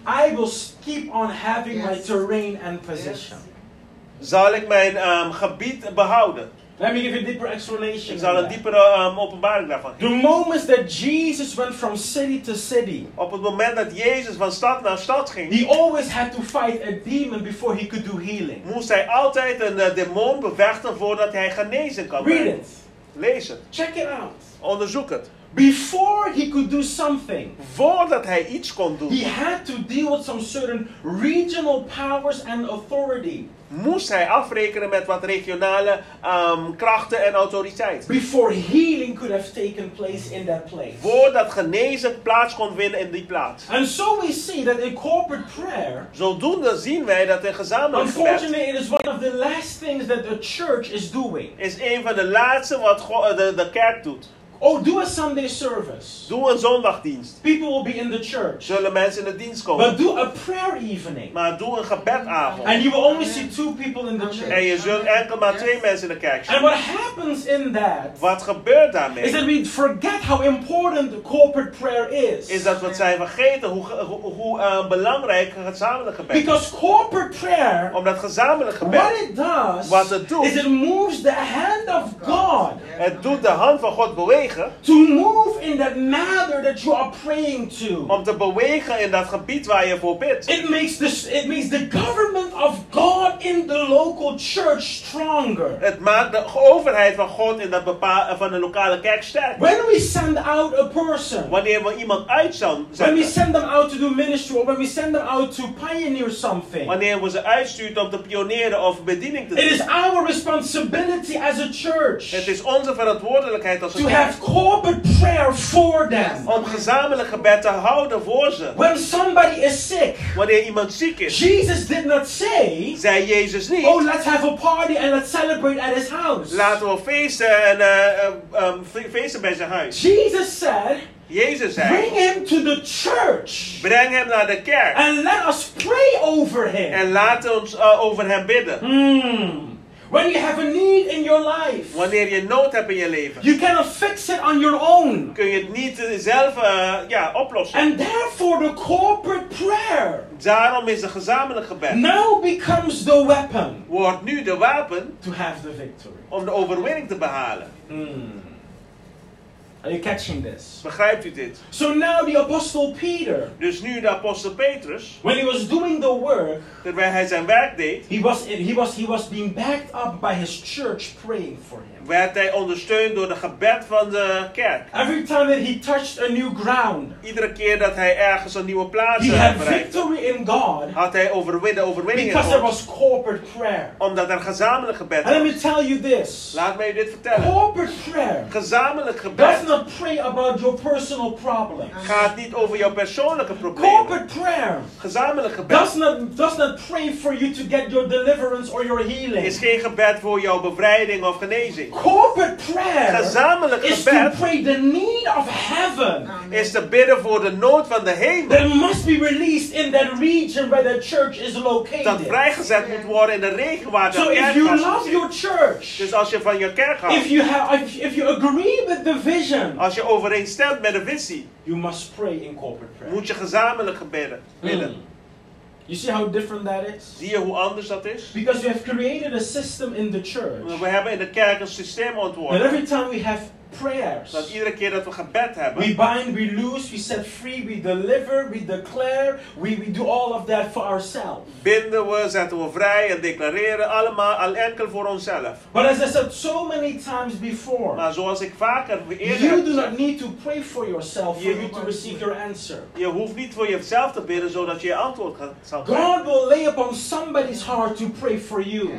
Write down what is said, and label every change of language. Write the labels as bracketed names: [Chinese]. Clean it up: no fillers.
[English] I will keep on having my terrain and position. [Dutch] Zal ik mijn gebied behouden? [English] Let me give you a deeper explanation. [Dutch] Ik zal een diepere openbaring daarvan geven. [English] The moments that Jesus went from city to city. [Dutch] Op het moment dat Jezus van stad naar stad ging. [English] He always had to fight a demon before he could do healing. [Dutch] Moest hij altijd een demon bevechten voordat hij genezen kan. [English] Read it. [Dutch] Lees het. [English] Check it out. [Dutch] Onderzoek het. [English] Before he could do something. [Dutch] Voordat hij iets kon doen. [English] He had to deal with some certain regional powers and authority. [Dutch] Moest hij afrekenen met wat regionale krachten en autoriteit. [English] Before healing could have taken place in that place. [Dutch] Voordat genezen plaats kon vinden in die plaats. [English] And so we see that in corporate prayer. [Dutch] Zodoende zien wij dat in gezamenlijk gebed. [English] Unfortunately, it is one of the last things that the church is doing. [Dutch] Is een van de laatste wat de kerk doet. [English] Oh, do a Sunday service. [Dutch] Doe een zondagdienst. [English] People will be in the church. [Dutch] Zullen mensen in de dienst komen. [English] But do a prayer evening. [Dutch] Maar doe een gebedavond. [English] And you will only see two people in the church. [Dutch] En je zult enkel maar twee mensen in de kerk zien. [English] And what happens in that? [Dutch] Wat gebeurt daarmee? [English] Is that we forget how important corporate prayer is. [Dutch] Is dat we zijn vergeten hoe belangrijk het gezamenlijk gebed is. [English] Because corporate prayer. [Dutch] Omdat gezamenlijk gebed. [English] What it does. [Dutch] Wat het doet. [English] Is it moves the hand of God. [Dutch] Het doet de hand van God bewegen. [English] To move in that matter that you are praying to. [Dutch] Om te bewegen in dat gebied waar je voor bidt. [English] It makes the government of God in the local church stronger. [Dutch] Het maakt de overheid van God in dat van de lokale kerk sterk. [English] When we send out a person. [Dutch] Wanneer we iemand uitzenden. [English] When we send them out to do ministry or when we send them out to pioneer something. [Dutch] Wanneer we ze uitsturen om te pioneren of bediening te doen. [English] It is our responsibility as a church. [Dutch] Het is onze verantwoordelijkheid als een [English] have corporate prayer for them. [Dutch] Om gezamenlijk gebed te houden voor ze. [English] When somebody is sick. [Dutch] Wanneer iemand ziek is. [English] Jesus did not say. [Dutch] Zei Jezus niet. [English] Oh, let's have a party and let's celebrate at his house. [Dutch] Laten we feesten en feesten bij zijn huis. [English] Jesus said. [Dutch] Jezus zei. [English] Bring him to the church. [Dutch] Breng hem naar de kerk. [English] And let us pray over him. [Dutch] En laat ons over hem bidden. [English] When you have a need in your life. [Dutch] Wanneer je nood hebt in je leven. [English] You cannot fix it on your own. [Dutch] Kun je het niet zelf oplossen. [English] And therefore the corporate prayer. [Dutch] Daarom is een gezamenlijk gebed. [English] Now becomes the weapon. [Dutch] Wordt nu de wapen. [English] To have the victory. [Dutch] Om de overwinning te behalen. [English] Are you catching this? [Dutch] Begrijpt u dit? [English] So now the apostle Peter. [Dutch] Dus nu de apostel Petrus. [English] When he was doing the work, [Dutch] terwijl hij zijn werk deed, [English] he was being backed up by his church praying for him. [Dutch] Werd hij ondersteund door de gebed van de kerk. [English] Every time that he touched a new ground, [Dutch] iedere keer dat hij ergens een nieuwe plaats bereikte, [English] he had victory in God. [Dutch] Had hij overwinning in God. [English] Because there was corporate prayer. [Dutch] Omdat er gezamenlijk gebed was. [English] Let me tell you this. [Dutch] Laat mij u dit vertellen. [English] Corporate prayer. [Dutch] Gezamenlijk gebed. [English] Let's not pray about your personal problems. [Dutch] Gaat niet over jouw persoonlijke problemen. [English] Corporate prayer. [Dutch] Gezamenlijk gebed. [English] Does not pray for you to get your deliverance or your healing. [Dutch] Is geen gebed voor jouw bevrijding of genezing. [English] Corporate prayer. [Dutch] Gezamenlijk gebed. [English] Is to pray the need of heaven. Amen. [Dutch] Is te bidden voor de nood van de hemel. [English] That must be released in that region where the church is located. [Dutch] Dat vrijgezet moet worden in de regio waar de kerk [English] is. So if you love your church. [Dutch] Dus als je van je kerk houdt. [English] If you agree with the vision. [Dutch] Als je overeenstemt met de visie. [English] You must pray in corporate prayer. [Dutch] Moet je gezamenlijk gebeden. Bidden. [English] You see how different that is? [Dutch] Zie je hoe anders dat is? [English] Because we have created a system in the church. [Dutch] We hebben in de kerk een systeem ontworpen. [English] And every time we have prayers. [Dutch] Dat iedere keer dat we gebed hebben. [English] We bind, we loose, we set free, we deliver, we declare. We do all of that for ourselves. [Dutch] Binden we, zetten we vrij en declareren allemaal al enkel voor onszelf. [English] But as I said so many times before. [Dutch] Maar zoals ik vaker eerder heb. [English] You do not need to pray for yourself for you to receive your answer. [Dutch] Je hoeft niet voor jezelf te bidden zodat je antwoord zal krijgen. [English] God will lay upon somebody's heart to pray for you.